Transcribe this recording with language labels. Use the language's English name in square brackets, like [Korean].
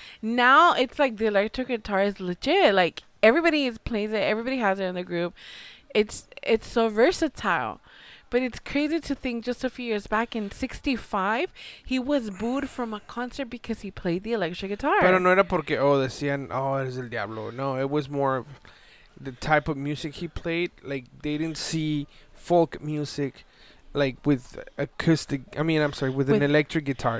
[English] Now, it's like the electric guitar is legit. Like, everybody plays it. Everybody has it in the group. It's so versatile, but it's crazy to think just a few years back in 65, he was booed from a concert because he played the electric guitar. [Spanish] Pero no era porque, decían, eres el diablo. [English] No, it was more of the type of music he played. Like, they didn't see folk music, like, with an electric guitar.